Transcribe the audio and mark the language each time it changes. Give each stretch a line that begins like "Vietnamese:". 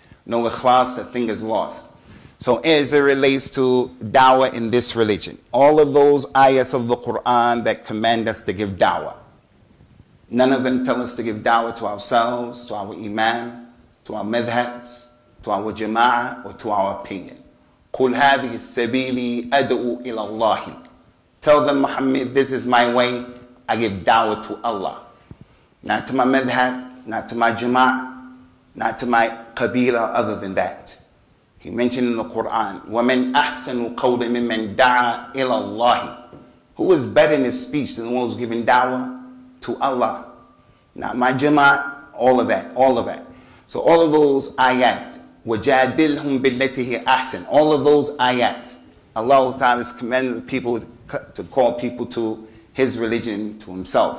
English: No ikhlas, the thing is lost. So as it relates to dawah in this religion, all of those ayahs of the Qur'an that command us to give dawah, none of them tell us to give dawah to ourselves, to our imam, to our madhabs, to our jama'ah, or to our opinion.
Arabic: قُلْ هَذِهِ السَّبِيلِ أَدْعُوا إِلَى اللَّهِ.
English: Tell them, Muhammad, this is my way, I give dawah to Allah. Not to my madhab, not to my jama'ah, not to my qabila other than that. He mentioned in the Qur'an,
Arabic: وَمَنْ أَحْسَنُ قَوْلًا مِمَّنْ دَعَى إِلَى اللَّهِ.
English: Who is better in his speech than the one who's giving dawah to Allah? Not my jama'ah, all of that, all of that. So all of those ayat,
Arabic: وَجَادِلْهُمْ بِالَّتِهِ أَحْسَنُ.
English: All of those ayats, Allah Ta'ala has commanded the people to call people to his religion, to himself.